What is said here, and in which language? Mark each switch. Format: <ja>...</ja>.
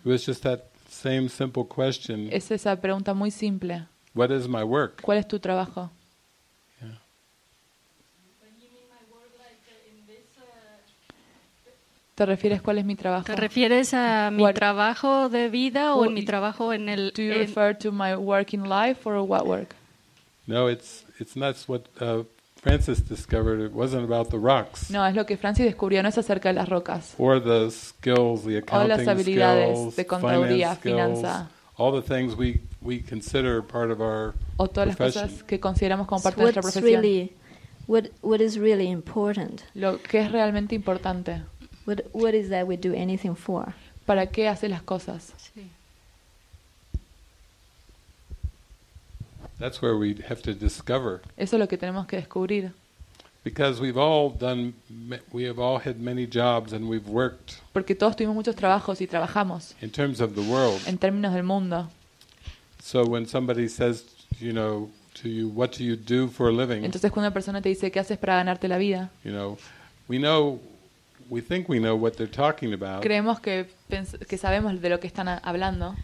<en>It was just that same simple question.</en> <es>Es esa pregunta muy simple.</es> <en>What is my work?</en> <es>¿Cuál es tu trabajo? ¿Te refieres cuál es mi trabajo? ¿Te refieres a mi trabajo de vida o en mi trabajo en el?</es> <en>Do you refer to my work in life or what work? No, it's not what Francis discovered. It wasn't about the rocks.</en> <es>No, es lo que Francis descubrió. No es acerca de las rocas.</es> <en>Or the skills, the accounting skills,</en> <es>o las habilidades de contaduría, finanza.</es> <en>All the things we consider part of our profession.</en> <es>O todas las cosas que consideramos como parte de nuestra profesión.</es> <en>What is really important?</en> <es>Lo que es realmente importante.</es> <en>What is that we do anything for?</en> <es>¿Para qué hace las cosas?</es> <en>Sí. That's where we have to discover.</en> <es>Eso es lo que tenemos que descubrir.</es> <en>Because we have all had many jobs and we've worked.</en> <es>Porque todos tuvimos muchos trabajos y trabajamos.</es> <en>In terms of the world.</en> <es>En términos del mundo.</es> <en>So when somebody says, you know, to you, what do you do for a living?</en> <es>Entonces cuando una persona te dice qué haces para ganarte la vida.</es> <en>You know, we think we know what they're talking about.</en> <es>Creemos que sabemos de lo que están hablando.</es>